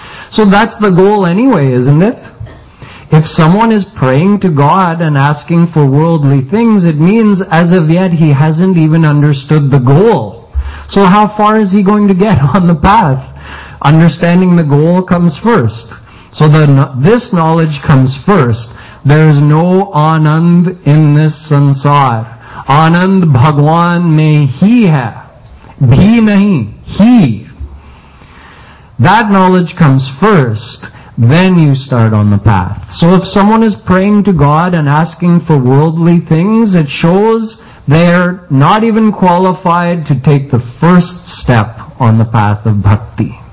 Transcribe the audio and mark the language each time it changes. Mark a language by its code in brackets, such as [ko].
[en] So that's the goal anyway, isn't it? If someone is praying to God and asking for worldly things, it means as of yet he hasn't even understood the goal. So how far is he going to get on the path? Understanding the goal comes first. So this knowledge comes first. There is no Anand in this sansar. [hi] आनंद भगवान में ही है। Bhi nahi, he. [en] That knowledge comes first. Then you start on the path. So if someone is praying to God and asking for worldly things, it shows they're not even qualified to take the first step on the path of bhakti.